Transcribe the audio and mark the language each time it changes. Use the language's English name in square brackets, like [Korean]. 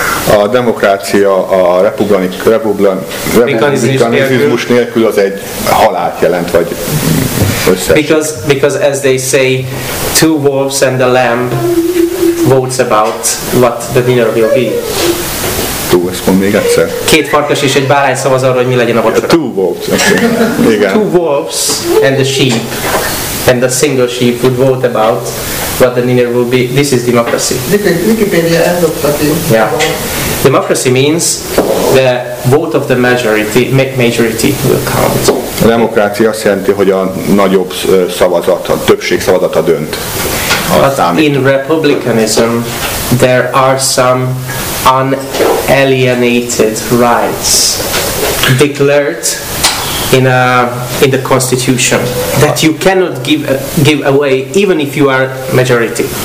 [Hungarian] A demokrácia a republikanizmus nélkül az egy halált jelent, vagy összeset. [English] Because as they say, two wolves and a lamb votes about what the dinner will be. Two, [Hungarian] ezt mond még egyszer. Két farkas és egy bárány szavaz arra, hogy mi legyen a vacsora. [English] Two wolves, okay. [Hungarian] Igen. [English] Two wolves and a sheep, and a single sheep would vote about what the dinner will be. This is democracy. Yeah. Democracy means the vote of the majority, majority will count. [Hungarian] A demokrácia azt jelenti, hogy a nagyobb szavazat, a többség szavazata dönt. [English] But in republicanism, there are some unalienated rights. declared in the constitution that you cannot give away even if you are majority.